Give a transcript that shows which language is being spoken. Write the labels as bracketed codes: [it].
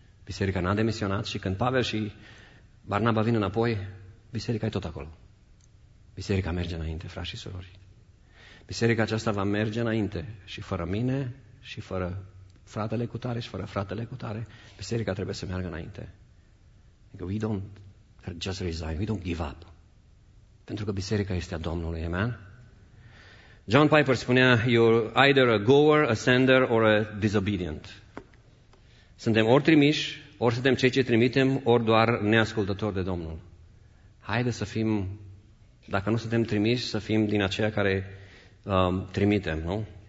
[ro] Biserica n-a demisionat și când Pavel și Barnaba vin înapoi, biserica e tot acolo. Biserica merge înainte, frați și surori. Biserica aceasta va merge înainte și fără mine și fără fratele cutare și fără fratele cutare. Biserica trebuie să meargă înainte. [en] We don't just resign, we don't give up. [ro] Pentru că biserica este a Domnului, amen? John Piper spunea, [en] you're either a goer, a sender or a disobedient. [ro] Suntem ori trimiși, ori suntem cei ce trimitem, ori doar neascultători de Domnul. Haide să fim, dacă nu suntem trimiși, să fim din aceia care trimitem, nu?